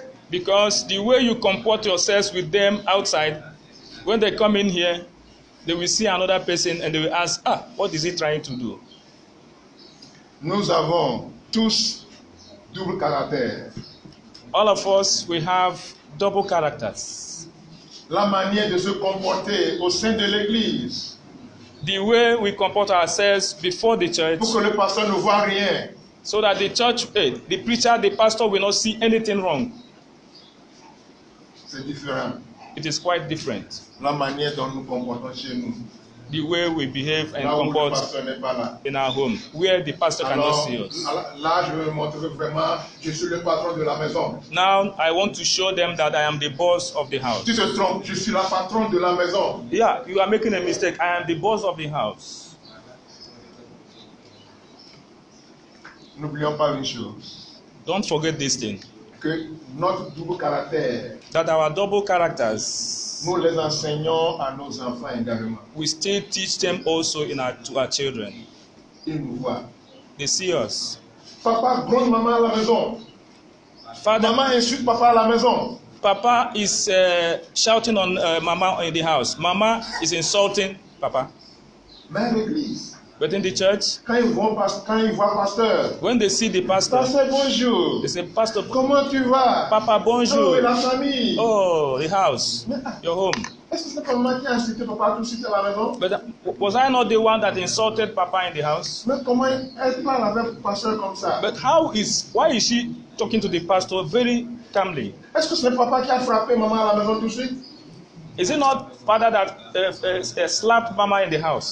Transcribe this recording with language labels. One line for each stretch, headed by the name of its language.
English: Because the way you comport yourselves with them outside, when they come in here, they will see another person and they will ask, ah, what is he trying to do?
French: Nous avons tous double caractère.
English: All of us, we have double characters.
French: La manière de se comporter au sein de l'église.
English: The way we comport ourselves before the church.
French: Pour que le pasteur ne voit rien.
English: So that the church, the preacher, the pastor will not see anything wrong.
French: C'est différent.
English: It is quite different.
French: La manière dont nous comportons chez nous.
English: The way we behave and
French: là
English: comport in our home, where the pastor
French: alors,
English: cannot see us.
French: Là, je veux montrer vraiment, je suis le patron de la maison.
English: Now, I want to show them that I am the boss of the house.
French: Tu te trompes, je suis la patronne de la maison.
English: Yeah, you are making a mistake. I am the boss of the house.
French: N'oublions pas une chose.
English: Don't forget this thing.
French: Que notre double caractère.
English: That our double characters.
French: Nous les enseignons à nos enfants également.
English: We still teach them also to our children.
French: Ils nous voient.
English: They see us.
French: Papa gronde maman à la maison.
English: Father,
French: maman insulte papa à la maison.
English: Papa is shouting on mama in the house. Mama is insulting papa.
French: Mais l'église.
English: But in the church,
French: quand ils voient pasteur,
English: when they see the pastor,
French: pastor bonjour,
English: they say, pastor,
French: comment tu vas? Papa, bonjour. Oh, et la famille.
English: Oh, the house, your home.
French: Est-ce que c'est pas moi qui a insulté papa tout suite à la maison?
English: But was I not the one that insulted papa in the house?
French: Mais comment elle parle avec le pasteur comme ça?
English: But why is she talking to the pastor very calmly?
French: Est-ce que c'est papa qui a frappé maman à la maison tout suite?
English: Is it not father that slapped mama in the house?